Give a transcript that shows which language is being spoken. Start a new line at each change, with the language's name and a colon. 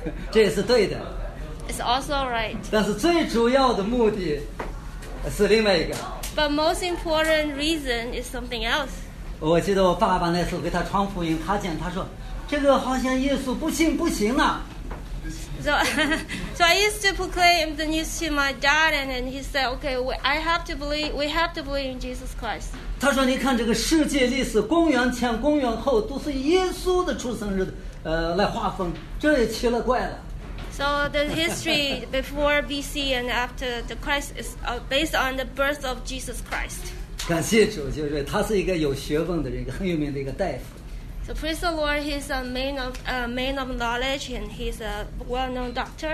Chinese: 这也是对的。
English: It's also right.
Chinese: 但是最主要的目的是另外一个。
English: But most important reason is something else.
Chinese: 我记得我爸爸那次给他传福音，他讲，他说，这个好像耶稣不信不行啊。
English: So I used to proclaim the news to my dad, and then he said, "Okay, I have to believe. We have to believe in Jesus Christ."
Chinese: 他说：“你看这个世界历史，公元前、公元后都是耶稣的出生日，来划分，这也奇了怪了。”
English: So the history before BC and after the Christ is based on the birth of Jesus Christ.
Chinese: 感谢主，就是他是一个有学问的人，一个很有名的一个大夫。
English: So praise the Lord, he's a man of knowledge, and he's a well-known doctor.